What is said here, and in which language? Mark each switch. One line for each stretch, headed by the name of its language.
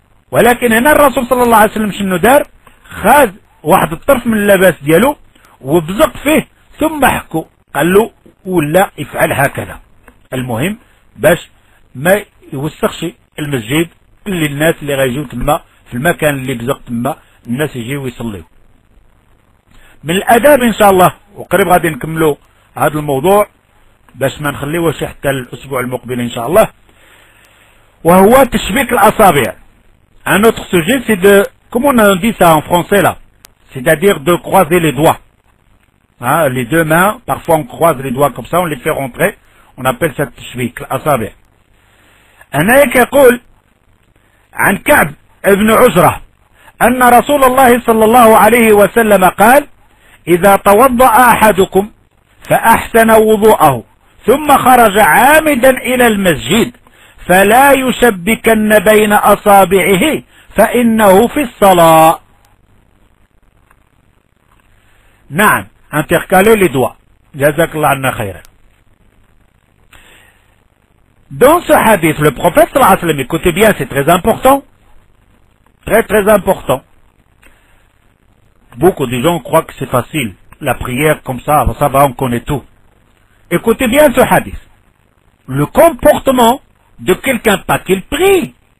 Arabic: ولكن هنا الرسول صلى الله عليه وسلم شنو دار خذ واحد الطرف من اللباس ديالو وبزق فيه ثم حكوا قال له ولا افعل هكذا المهم باش ما يوسخش المسجد للناس اللي غيجيو تما في المكان اللي بزق تما الناس يجيو يصليو من الاداب ان شاء الله وقريب غادي نكملوا هذا الموضوع باش ما نخليوهش حتى الاسبوع المقبل ان شاء الله وهو تشبيك الاصابع.
French: Un autre sujet, c'est de, comment on dit ça en français là, c'est-à-dire de croiser les doigts. Hein, les deux mains, parfois on croise les doigts comme ça, on les fait rentrer, on appelle ça tchvik, l'asabi. Un ayat qui dit,
Arabic: « عن كعب ابن عجرة, أن رسول الله صلى الله عليه وسلم قال, إذا توضأ أحدكم فأحسن وضوءه, ثم خرج عامدا إلى المسجد, فلا يشبكن بين أصابعه فإنه في الصلاة. نعم انتقالوا لدواء جزاك الله عنا خيرا.
French: Dans ce hadith, le prophète صلى الله عليه وسلم, écoutez bien, c'est très important. Très très important. Beaucoup de gens croient que c'est facile, la prière comme ça, ça va, on connaît tout. Écoutez bien ce hadith. Le comportement de quelqu'un, pas qu'il prie.